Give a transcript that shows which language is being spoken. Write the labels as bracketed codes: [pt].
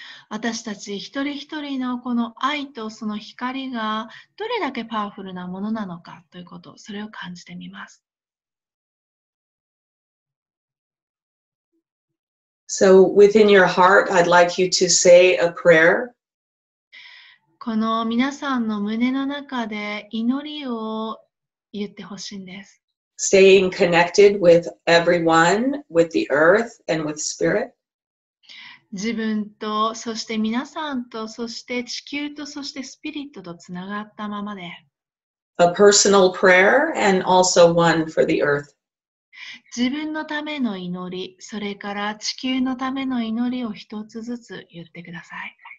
[ja] 私たち一人一人のこの愛とその光がどれだけパワフルなものなのかということ、それを感じてみます。 [en] So within your heart, I'd like you to say a prayer. [ja] この皆さんの胸の中で祈りを言ってほしいんです。 [en] Staying connected with everyone, with the earth and with spirit. [ja] 自分と、そして皆さんと、そして地球と、そしてスピリットとつながったままで。 [en] A personal prayer and also one for the earth. [ja] 自分のための祈り、それから地球のための祈りを一つずつ言ってください。